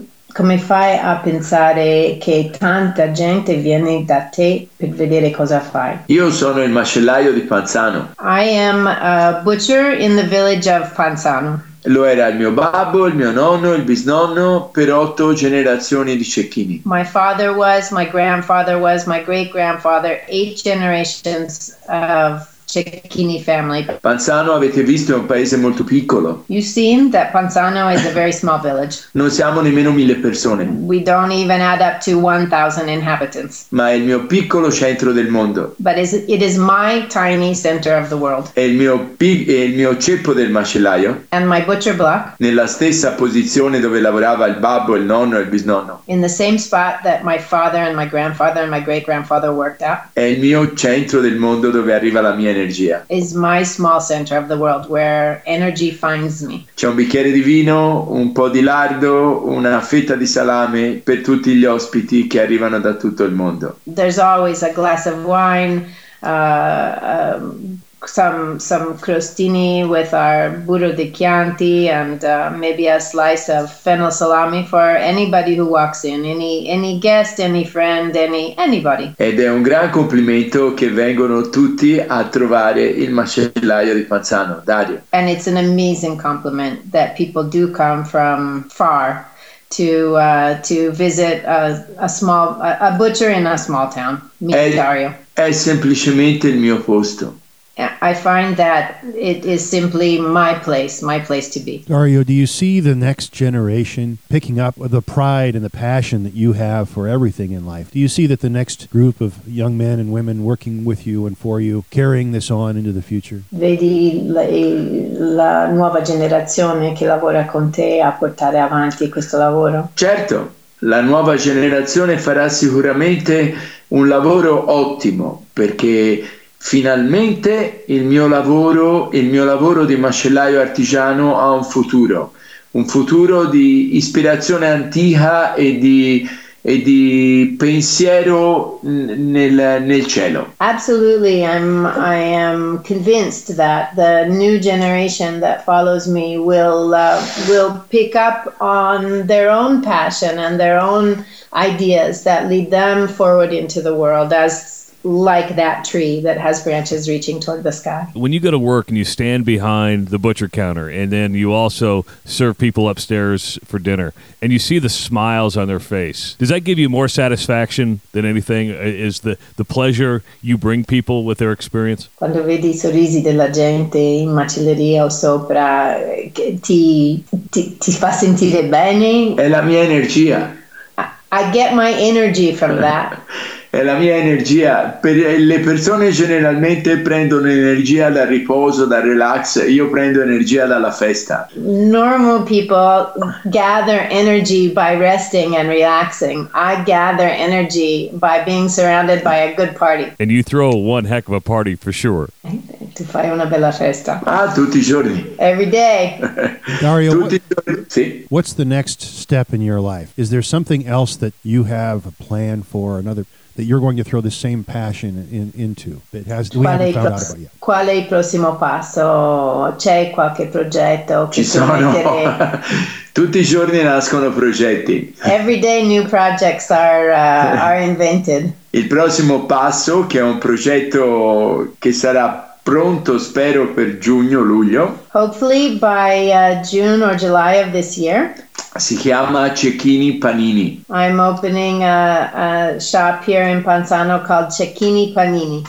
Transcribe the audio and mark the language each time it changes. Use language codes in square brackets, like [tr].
[it] Come fai a pensare che tanta gente viene da te per vedere cosa fai? Io sono il macellaio di Panzano. [en] I am a butcher in the village of Panzano. [it] Lo era il mio babbo, il mio nonno, il bisnonno per 8 generazioni di cecchini. [en] My father was, my grandfather was, my great grandfather, 8 generations of Cecchini family. [it] Panzano, avete visto, è un paese molto piccolo. [en] You've seen that Panzano is a very small village. [it] Non siamo nemmeno 1000 persone. [en] We don't even add up to 1,000 inhabitants. [it] Ma è il mio piccolo centro del mondo. [en] But it is my tiny center of the world. [it] È il mio ceppo del macellaio. [en] And my butcher block. [it] Nella stessa posizione dove lavorava il babbo, il nonno e il bisnonno. [en] In the same spot that my father and my grandfather and my great grandfather worked at. [it] È il mio centro del mondo dove arriva la mia energia. [en] Is my small center of the world where energy finds me. [it] C'è un bicchiere di vino, un po' di lardo, una fetta di salame per tutti gli ospiti che arrivano da tutto il mondo. [en] There's always a glass of wine, some crostini with our burro di Chianti and maybe a slice of fennel salami for anybody who walks in, any guest, any friend, anybody. [it] Ed è un gran complimento che vengono tutti a trovare il macellaio di Panzano, Dario. [en] And it's an amazing compliment that people do come from far to visit a small butcher in a small town. Meet Dario. [it] È semplicemente il mio posto. [en] I find that it is simply my place to be. Dario, do you see the next generation picking up the pride and the passion that you have for everything in life? Do you see that the next group of young men and women working with you and for you, carrying this on into the future? [it] Vedi la nuova generazione che lavora con te a portare avanti questo lavoro? Certo, la nuova generazione farà sicuramente un lavoro ottimo, perché finalmente il mio lavoro di macellaio artigiano ha un futuro di ispirazione antica e di pensiero nel cielo. [en] Absolutely, I am convinced that the new generation that follows me will pick up on their own passion and their own ideas that lead them forward into the world as like that tree that has branches reaching toward the sky. When you go to work and you stand behind the butcher counter and then you also serve people upstairs for dinner and you see the smiles on their face, does that give you more satisfaction than anything? Is the pleasure you bring people with their experience? [it] Quando vedi I sorrisi della gente in macelleria o sopra, ti fa sentire bene? È la mia energia. [en] I get my energy from that. [it] È la mia energia. Per le persone generalmente prendono energia dal riposo, dal relax. Io prendo energia dalla festa. [en] Normal people gather energy by resting and relaxing. I gather energy by being surrounded by a good party. And you throw one heck of a party for sure. [it] Tu fai una bella festa. Ah, tutti I giorni. [en] Every day. Dario, [it] sì. [en] What's the next step in your life? Is there something else that you have a plan for another... that you're going to throw the same passion into that has we haven't found out about yet. [it] Qual è il prossimo passo? C'è qualche progetto? Ci sono. Tutti I giorni nascono progetti. [en] Every day new projects are invented. [it] Il prossimo passo, che è un progetto che sarà pronto, spero, per giugno, luglio. [en] Hopefully by June or July of this year. [it] Si chiama Cecchini Panini. [en] I'm opening a shop here in Panzano called Cecchini Panini.